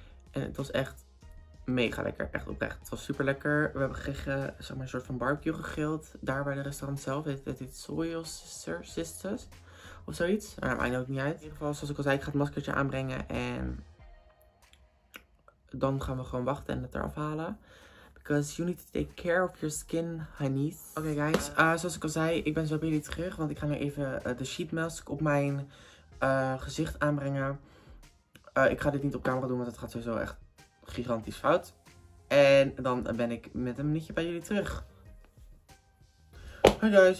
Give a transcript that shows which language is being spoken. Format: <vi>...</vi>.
<nl>En het was echt mega lekker. Echt oprecht. Het was super lekker. We hebben gekregen, zeg maar, een soort van barbecue gegrild. Daar bij het restaurant zelf. Het heet Soil Sisters. Of zoiets. Maar dat maakt ook niet uit. In ieder geval, zoals ik al zei, ik ga het maskertje aanbrengen. En dan gaan we gewoon wachten en het eraf halen.</nl> <en>Because you need to take care of your skin, honey.</en> <nl>Oké, guys. Zoals ik al zei, ik ben zo bij jullie terug. Want ik ga nu even de sheet mask op mijn gezicht aanbrengen. Ik ga dit niet op camera doen, want het gaat sowieso echt gigantisch fout. En dan ben ik met een minuutje bij jullie terug. Hoi, guys.</nl>